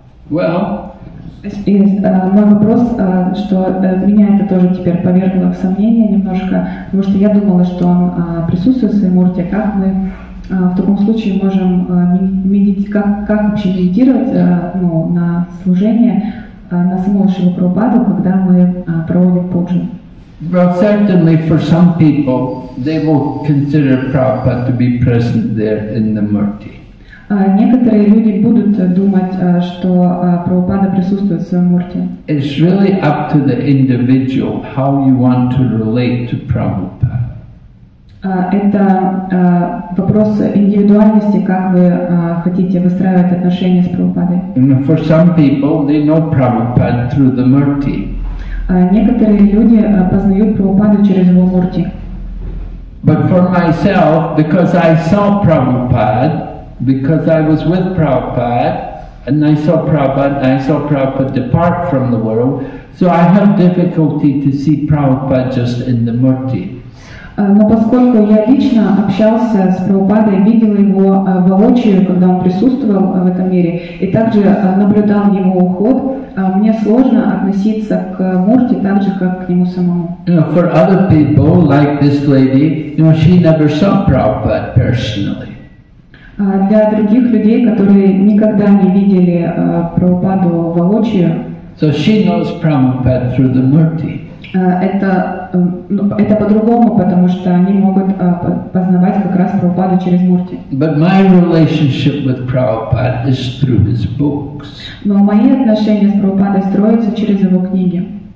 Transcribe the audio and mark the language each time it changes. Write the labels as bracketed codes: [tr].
[ru] Мой вопрос, что меня это тоже теперь повергло в сомнение немножко, потому что я думала, что он присутствует в своей мурте. Как мы в таком случае можем как вообще медитировать на служение на самого Шрилу Прабхупаду, когда мы проводим пуджу? [en] Well, certainly for some people, they will consider Prabhupada to be present there in the murti. [ru] Некоторые люди будут думать, что Прабхупада присутствует в своем мурти. [en] It's really up to the individual how you want to relate to Prabhupada. [ru] Это вопрос индивидуальности, как вы хотите выстраивать отношения с Прабхупадой. [en] And for some people, they know Prabhupada through the murti. [ru] Некоторые люди познают Прабхупаду через его мурти. [en] But for myself, because I saw Prabhupada, because I was with Prabhupada, and I saw Prabhupada, depart from the world, so I have difficulty to see Prabhupada just in the murti. [ru] Но поскольку я лично общался с Прабхупадой, видел его воочию, когда он присутствовал в этом мире, и также наблюдал его уход, мне сложно относиться к мурти так же, как к нему самому. [en] For other people, like this lady, she never saw Prabhupada personally. [ru] Для других людей, которые никогда не видели Прабхупаду воочию, [en] so she knows Prabhupada through the murti. [ru] Это по-другому, потому что они могут познавать как раз Прабхупаду через мурти. [en] But my relationship with Prabhupada is through his books. [ru] Но мои отношения с Прабхупадой строятся через его книги.